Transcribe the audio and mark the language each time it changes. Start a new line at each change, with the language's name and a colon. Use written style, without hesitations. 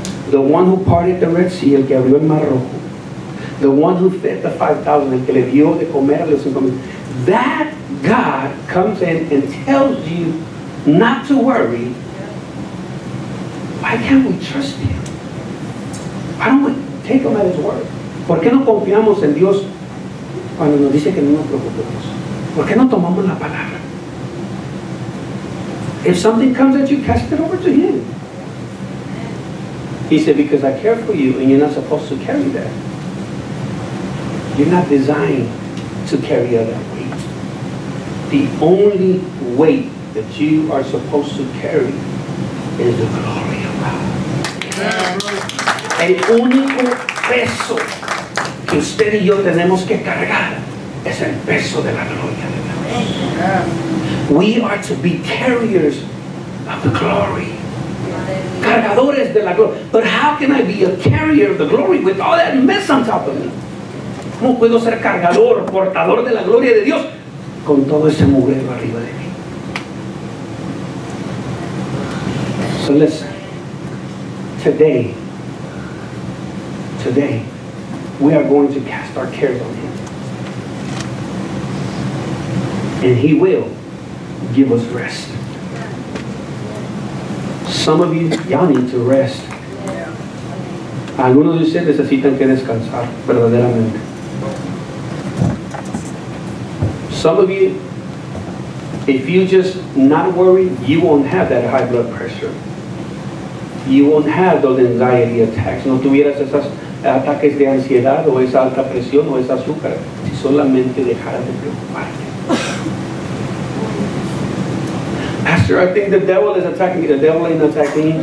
English: The one who parted the Red Sea,
Spanish: el que abrió el Mar Rojo.
English: The one who fed the 5,000,
Spanish: el que le dio de comer a los 5,000.
English: That God comes in and tells you not to worry. Why can't we trust him? Why don't we take him at his word?
Spanish: ¿Por qué no confiamos en Dios cuando nos dice que no nos preocupemos? ¿Por qué no tomamos la palabra?
English: If something comes at you, cast it over to him. He said, because I care for you and you're not supposed to carry that. You're not designed to carry that weight. The only weight that you are supposed to carry is the glory of God.
Spanish: El único peso que usted y yo tenemos que cargar es el peso de la gloria de Dios.
English: We are to be carriers of the glory.
Spanish: Cargadores de la gloria.
English: But how can I be a carrier of the glory with all that mess on top of me?
Spanish: ¿Cómo puedo ser cargador, portador de la gloria de Dios con todo ese mugrero arriba de mí?
English: So listen. Today, we are going to cast our cares on him. And he will give us rest. Some of you, y'all need to rest.
Spanish: Algunos de ustedes necesitan que descansar verdaderamente.
English: Some of you, if you just not worry, you won't have that high blood pressure. You won't have those anxiety attacks.
Spanish: No tuvieras esos ataques de ansiedad o esa alta presión o ese azúcar si solamente dejaras de preocuparte.
English: Pastor, I think the devil is attacking me. The devil ain't attacking me.